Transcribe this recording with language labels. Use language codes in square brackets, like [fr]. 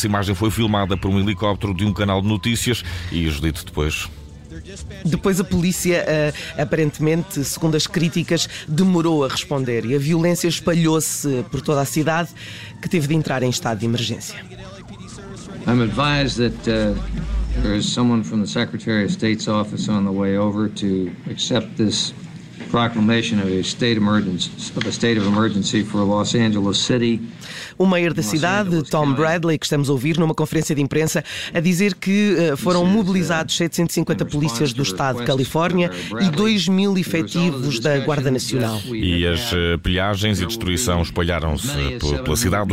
[pt] Essa imagem foi filmada por um helicóptero de um canal de notícias e, Judite, depois... Depois a polícia, aparentemente, segundo as críticas, demorou a responder e a violência espalhou-se por toda a cidade, que teve de entrar em estado de emergência. [en] I'm advised that there is someone from the Secretary of State's office on the way over to accept this proclamation of a state emergency, for Los Angeles City. [pt] O mayor da cidade, Tom Bradley, que estamos a ouvir numa conferência de imprensa, a dizer que foram mobilizados 750 polícias do estado de Califórnia e 2.000 efetivos da Guarda Nacional. E as pilhagens e destruição espalharam-se pela cidade.